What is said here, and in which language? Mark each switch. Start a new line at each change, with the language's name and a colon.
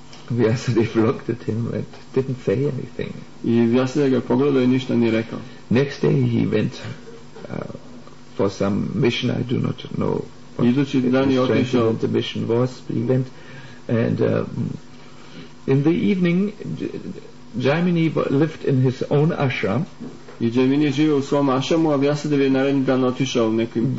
English: Vyasadeva looked at him and didn't say anything.
Serbian: I Vyasadeva ga pogledao i ništa nije rekao.
English: Next day he went for some mission, I do not know what the mission was. He went and in the evening Jaimini lived in his own ashram.
Serbian: I Jaimini živio u svom ashramu, a Vyasadeva je naredni dan otišao nekim